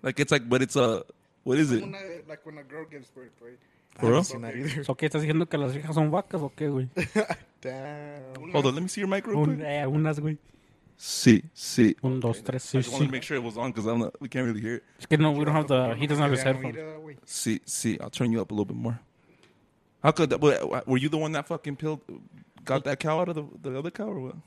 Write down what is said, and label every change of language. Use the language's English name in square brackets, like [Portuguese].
[English] Like, it's like, but it's a, what is it? Like when a girl gives birth, right? For real? [Spanish] So, ¿qué estás diciendo que las viejas son vacas o qué, güey? [English] Damn. Hold on, let me see your mic real quick. [Spanish] Unas, güey. Sí, sí. Un, dos, tres, sí, [English] I just want to make sure it was on because we can't really hear it. [Spanish] Es que no, [English] we don't have the, he doesn't have his headphones. [Spanish] Sí, sí, [English] I'll turn you up a little bit more. How could that, were you the one that fucking pilled, got that cow out of the other cow or what?